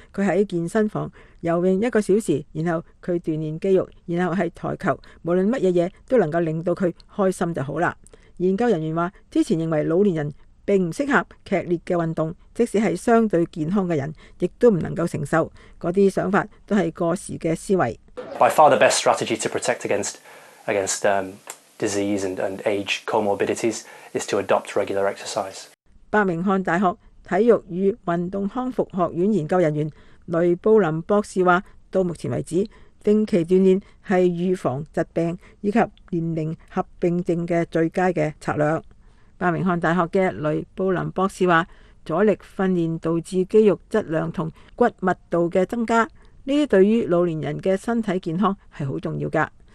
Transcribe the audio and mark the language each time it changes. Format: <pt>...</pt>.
<zh>他在健身房游泳一个小时，然后他锻炼肌肉，然后是台球，无论什么都能够令到他开心就好了。研究人员说，之前认为老年人并不适合剧烈的运动，即使是相对健康的人亦都不能够承受，那些想法都是过时的思维。</zh> <en>By far the best strategy to protect against disease and age comorbidities is to adopt regular exercise。</en> <zh>伯明翰大学体育与运动康复学院研究人员雷布林博士说，到目前为止，定期锻炼是预防疾病以及年龄合并症的最佳的策略。伯明翰大学的雷布林博士说，阻力训练导致肌肉质量和骨密度的增加，这些对于老年人的身体健康是很重要的。</zh>